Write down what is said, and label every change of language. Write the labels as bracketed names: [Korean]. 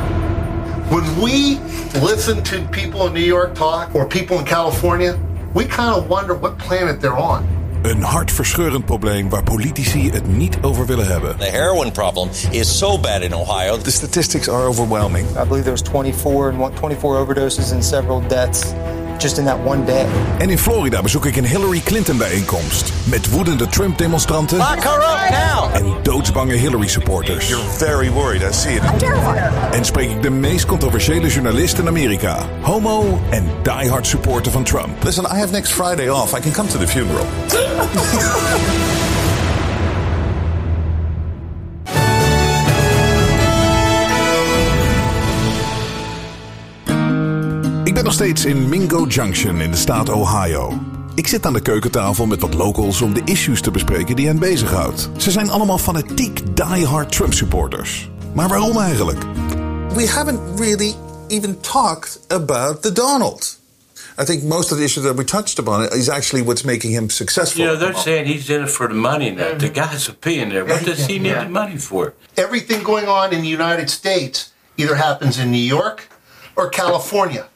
[English] years. You know what I'm talking about, right? When we listen to people in New York talk or people in California, we kind of wonder what planet they're on. [Dutch] Een hartverscheurend probleem waar politici het niet over willen hebben. [English] The heroin problem is so bad in Ohio. The statistics are overwhelming. I believe there was 24 overdoses and several deaths. Just in that one day. [Dutch] En in Florida bezoek ik een Hillary Clinton bijeenkomst met woedende Trump demonstranten en doodsbange Hillary supporters. [English] You're very worried, I see it. I'm terrified. [Dutch] En spreek ik de meest controversiële journalist in Amerika, homo en diehard supporter van Trump. [English] Listen, I have next Friday off. I can come to the funeral. [Dutch] Nog steeds in Mingo Junction in de staat Ohio. Ik zit aan de keukentafel met wat locals om de issues te bespreken die hen bezighoudt. Ze zijn allemaal fanatiek diehard Trump supporters. Maar waarom eigenlijk? [English] We haven't really even talked about the Donald. I think most of the issues that we touched upon is actually what's making him successful. Yeah, they're saying he's in it for the money now. Mm-hmm. The guy's a billionaire. What does he need the money for? Everything going on in the United States either happens in New York or California.